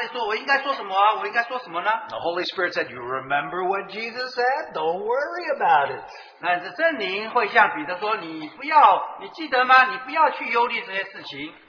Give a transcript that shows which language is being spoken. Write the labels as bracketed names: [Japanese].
[Chinese] 所以当那个彼得被关在监牢里头，他在说：“我应该说什么啊？我应该说什么呢？” [English] The Holy Spirit said, "You remember what Jesus said? Don't worry about it." [Chinese] 那圣灵会向彼得说：“你不要，你记得吗？你不要去忧虑这些事情。”